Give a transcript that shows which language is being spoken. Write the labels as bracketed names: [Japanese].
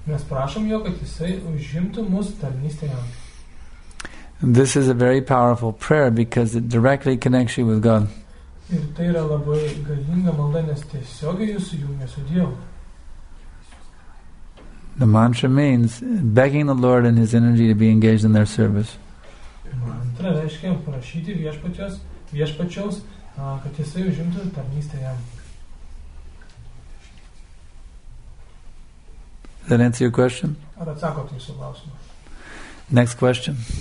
[Lithuanian] Mes prašom jo, kad jisai užimtų mūsų tarnystėje. [English] This is a very powerful prayer because it directly connects you with God. [Lithuanian] Ir tai yra labai galinga malda, nes tiesiogiai jūs jungia su Dievu. [English] The mantra means begging the Lord and his energy to be engaged in their service. [Lithuanian] Mantra reiškia prašyti viešpačios, kad jisai užimtų tarnystėje. [English] Does that answer your question? [Lithuanian] Ar atsako tai su klausimu? [English] Next question.